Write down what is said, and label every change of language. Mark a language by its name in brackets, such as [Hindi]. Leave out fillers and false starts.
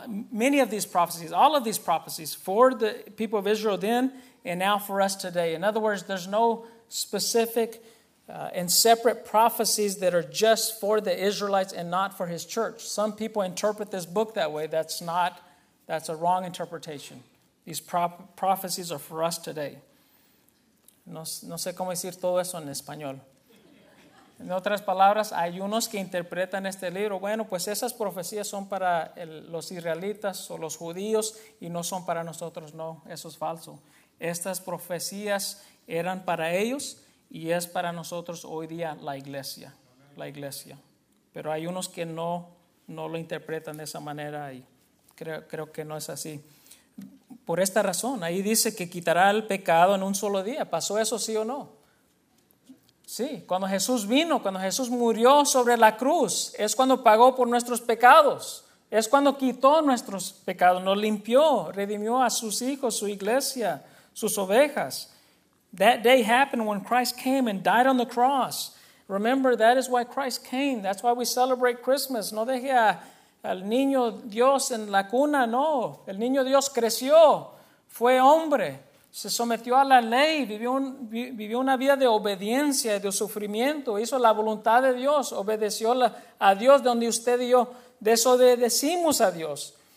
[English] Many of these prophecies, all of these prophecies for the people of Israel then and now for us today. In other words, there's no specific and separate prophecies that are just for the Israelites and not for his church. Some people interpret this book that way. That's a wrong interpretation. These prophecies are for us today. [Spanish] No sé cómo decir todo eso en español. En otras palabras, hay unos que interpretan este libro. Bueno, pues esas profecías son para los israelitas o los judíos y no son para nosotros. No, eso es falso. Estas profecías eran para ellos y es para nosotros hoy día la iglesia. La iglesia. Pero hay unos que no lo interpretan de esa manera y creo que no es así. Por esta razón, ahí dice que quitará el pecado en un solo día. ¿Pasó eso sí o no? Sí, cuando Jesús vino, cuando Jesús murió sobre la cruz, es cuando pagó por nuestros pecados. Es cuando quitó nuestros pecados, nos limpió, redimió a sus hijos, su iglesia, sus ovejas. [English] That day happened when Christ came and died on the cross. Remember, that is why Christ came. That's why we celebrate Christmas. [Spanish] No deje al niño Dios en la cuna, no. El niño Dios creció, fue hombre. Se sometió a la ley, vivió una vida de obediencia, de sufrimiento, hizo la voluntad de Dios, obedeció a Dios, donde usted y yo desobedecimos a Dios.